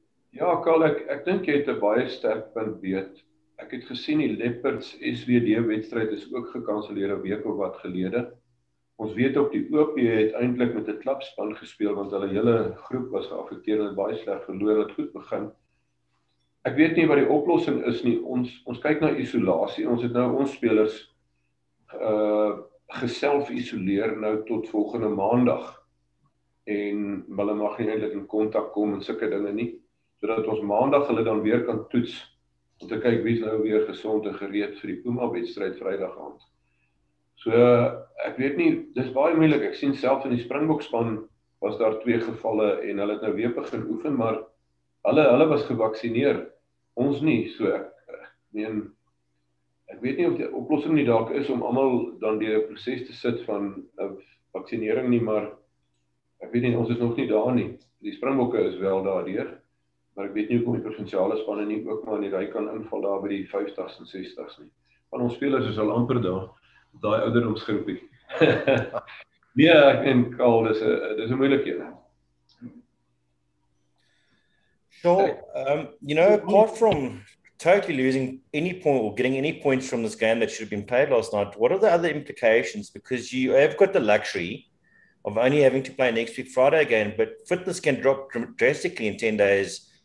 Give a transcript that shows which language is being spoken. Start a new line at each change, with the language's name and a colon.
Afrikaans: Ja, Karl, ek dink jy het 'n baie sterk punt weet. Ek het gesien die Leopards SWD wedstryd is ook gekanselleer 'n week of wat gelede. Ons weet ook die OP het eintlik met 'n klapspan gespeel want hulle hele groep was geaffekteer en het baie sleg verloor en het goed begin. Ek weet nie wat die oplossing is nie. Ons kyk na isolasie. Ons het nou ons spelers geself isoleer nou tot volgende maandag. En hulle mag nie eintlik in kontak kom en sulke dinge nie, sodat ons maandag hulle dan weer kan toets. Om te kyk wie is nou weer gesond en gereed vir die Puma wedstryd Vrydag aand. So ek weet nie, dis baie moeilik. Ek sien self in die Springbokspan was daar 2 gevalle en hulle het nou weer begin oefen, maar hulle was gevaksineer. Ons nie, so ek weet nie of die oplossing nie dalk is om almal dan deur 'n proses te sit van 'n vaksinering nie, maar ek weet nie, ons is nog nie daar nie. Die Springbokke is wel daardeur. Maar ek weet nie hoe kom die provinsiale spanne nie ook maar in die ry kan inval daar by die 50s en 60s nie. Van ons spelers is al amper daar, daai ouderdomsgroepie. Nee, ek en Karl, dis 'n moeilike een.
English: So, apart from totally losing any point or getting any points from this game that should have been played last night, what are the other implications? Because you have got the luxury of only having to play next week Friday again, but fitness can drop drastically in 10 days.